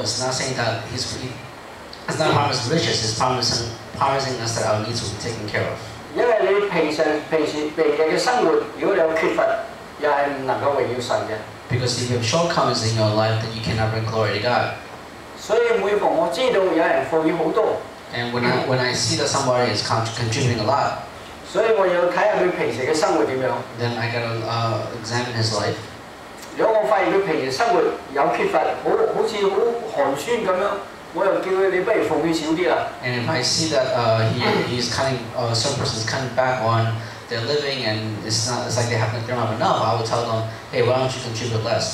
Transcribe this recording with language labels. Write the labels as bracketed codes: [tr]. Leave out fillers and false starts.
[en] It's not saying that it's not promised riches. It's promising us that our needs will be taken care of. [yue] 因為你平常嘅生活，如果你有缺乏，又係唔能夠榮耀神嘅。Because [en] if you have shortcomings in your life, then you cannot bring glory to God. [yue] 所以每逢我知道有人奉獻好多。 [en] And when I see that somebody is contributing a lot, then I gotta examine his life. And if I see that some person is cutting back on their living and it's like they haven't thrown up enough, I would tell them, hey, why don't you contribute less?